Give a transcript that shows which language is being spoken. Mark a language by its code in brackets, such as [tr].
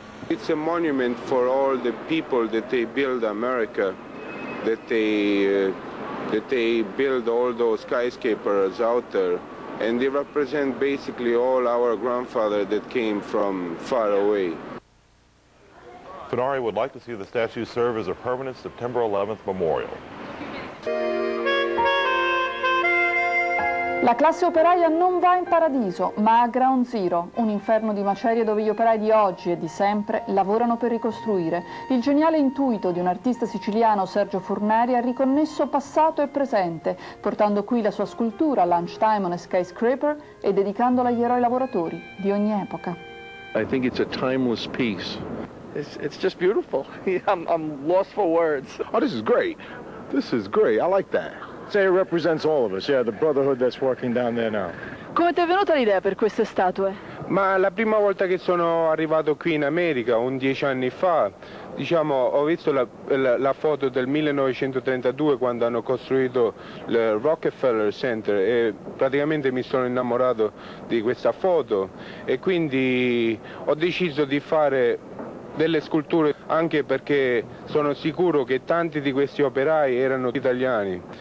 [en] It's a monument for all the people that they build America, that they build all those skyscrapers out there. And they represent basically all our grandfather that came from far away. Fenari would like to see the statue serve as a permanent September 11th memorial. [it] La classe operaia non va in paradiso, ma a Ground Zero, un inferno di macerie dove gli operai di oggi e di sempre lavorano per ricostruire. Il geniale intuito di un artista siciliano, Sergio Furneri, ha riconnesso passato e presente, portando qui la sua scultura, Lunchtime on a Skyscraper, e dedicandola agli eroi lavoratori di ogni epoca. [en] I think it's a timeless piece. It's just beautiful. I'm lost for words. Oh, this is great. This is great. I like that. Say it represents all of us, yeah, the brotherhood that's working down there now. [it] Come ti è venuta l'idea per queste statue? Ma la prima volta che sono arrivato qui in America, 10 anni fa, diciamo, ho visto la foto del 1932 quando hanno costruito il Rockefeller Center e praticamente mi sono innamorato di questa foto e quindi ho deciso di fare delle sculture anche perché sono sicuro che tanti di questi operai erano italiani.